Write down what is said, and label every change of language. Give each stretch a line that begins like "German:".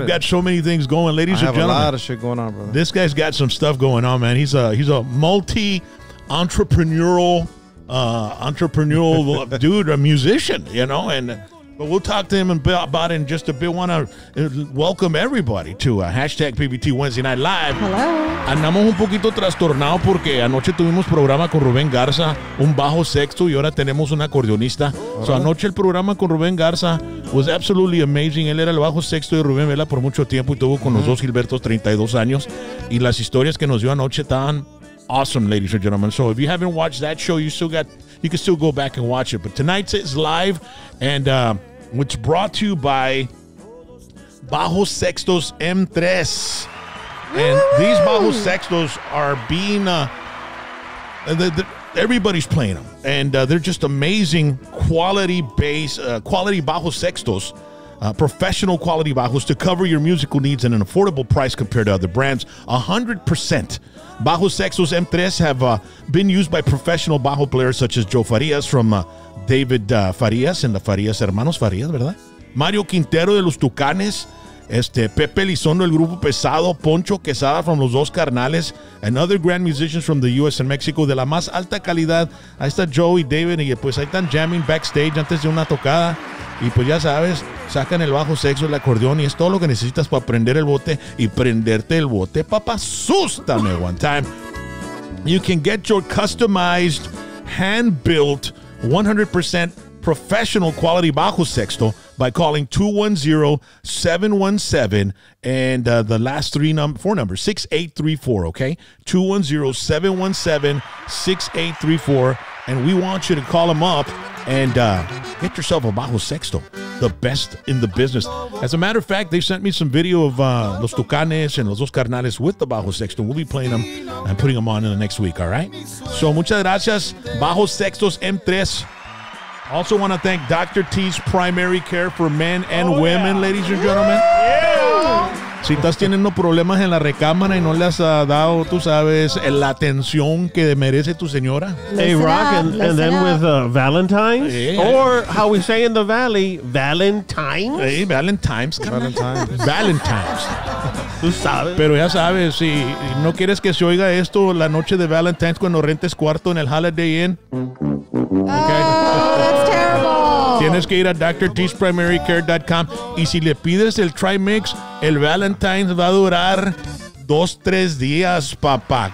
English: You've got so many things going, ladies and gentlemen. I have a lot of shit going on, brother. This guy's got some stuff going on, man. He's a multi-entrepreneurial dude, a musician, you know. But we'll talk to him about it in just a bit. Want to welcome everybody to hashtag PBT Wednesday Night Live. Hello.
Spanish: Andamos un poquito trastornados porque anoche tuvimos programa con Rubén Garza, un bajo sexto, y ahora tenemos un acordeonista.
English: So
Spanish: anoche el programa con
English: Rubén Garza was absolutely amazing.
Spanish: Él era el bajo sexto de Rubén Vela por mucho tiempo y tuvo con los dos Gilbertos 32 años. Y las historias que nos dio anoche estaban
English: awesome, ladies and gentlemen. So if you haven't watched that show, you can still go back and watch it. But tonight's is live, and it's brought to you by Bajo Sextos M3. And these Bajo Sextos are being, everybody's playing them. And they're just amazing quality bass, quality Bajo Sextos, professional quality Bajos to cover your musical needs at an affordable price compared to other brands. 100%. Bajo Sextos M3 have been used by professional Bajo players such as Joe Farias from David Farias and the Farias Hermanos Farias, ¿verdad? Mario Quintero de los Tucanes. Pepe Elizondo, el grupo pesado, Poncho Quesada from Los Dos Carnales, and other grand musicians from the U.S. and Mexico,
Spanish: de la más alta calidad. Ahí está Joey, David, y pues ahí están
English: jamming backstage
Spanish: antes de una tocada. Y pues ya sabes, sacan el bajo sexo, el acordeón, y es todo lo que necesitas para prender el bote y prenderte el bote. Papá, asústame
English: one time. You can get your customized, hand-built, 100% professional quality bajo sexto by calling 210-717 and the last three four numbers, 6834, okay? 210-717-6834, and we want you to call them up and get yourself a Bajo Sexto, the best in the business. As a matter of fact, they sent me some video of Los Tucanes and Los Dos Carnales with the Bajo Sexto. We'll be playing them and putting them on in the next week, all right? So,
Spanish: muchas gracias,
English: Bajo Sextos M3. Also want to thank Dr. T's Primary Care for men and women, yeah. Ladies and gentlemen. Yeah.
Spanish: Si estás teniendo problemas en la recámara y no le has dado, tú sabes, la atención que merece tu señora.
English: Hey, Rock, and then with Valentine's? Yeah. Or how we say in the Valley, Valentine's? Hey, Valentine's. Valentine's. Valentine's.
Spanish: Tú sabes. Pero ya sabes, si no quieres que se oiga esto la noche de Valentine's cuando rentes cuarto en el Holiday Inn.
English: Okay.
Spanish: Tienes que ir a drtsprimarycare.com y si le pides el Trimix, el Valentine's va a durar 2-3 días, papá.